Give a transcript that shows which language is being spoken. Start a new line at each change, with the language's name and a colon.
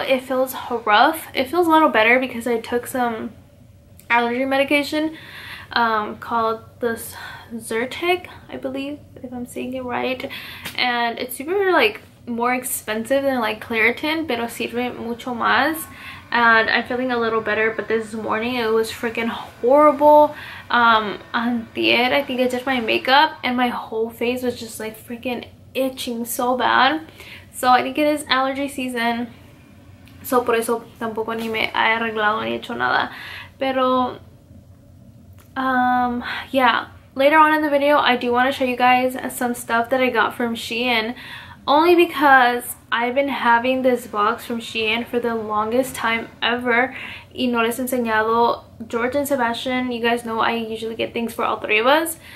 English: It feels rough. It feels a little better because I took some allergy medication called the Zyrtec, I believe, if I'm saying it right, and it's super like more expensive than like Claritin,
Spanish: pero sirve mucho más.
English: And I'm feeling a little better, but this morning it was freaking horrible. Antier, I think I did my makeup and my whole face was just like freaking itching so bad. So I think it is allergy season.
Spanish: So por eso tampoco ni me he arreglado ni hecho nada. Pero, yeah.
English: Later on in the video, I do want to show you guys some stuff that I got from SHEIN. Only because I've been having this box from SHEIN for the longest time ever.
Spanish: Y no les he enseñado.
English: George and Sebastian, you guys know I usually get things for all three of us.